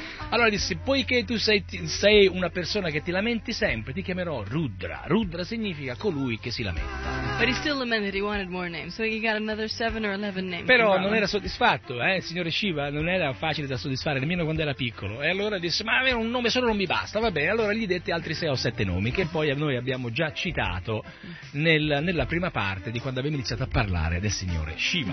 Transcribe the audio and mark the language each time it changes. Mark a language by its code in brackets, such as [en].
[it] Allora disse: poiché tu sei una persona che ti lamenti sempre, ti chiamerò Rudra. Rudra significa colui che si lamenta. [en] But he still lamented he wanted more names, so he got another 7 or 11 names. [it] Però non era soddisfatto, il signore Shiva non era facile da soddisfare nemmeno quando era piccolo. E allora disse: ma avere un nome solo non mi basta, va bene. Allora gli dette altri 6 o 7 nomi che poi noi abbiamo già citato nella prima parte di quando abbiamo iniziato a parlare del signore Shiva.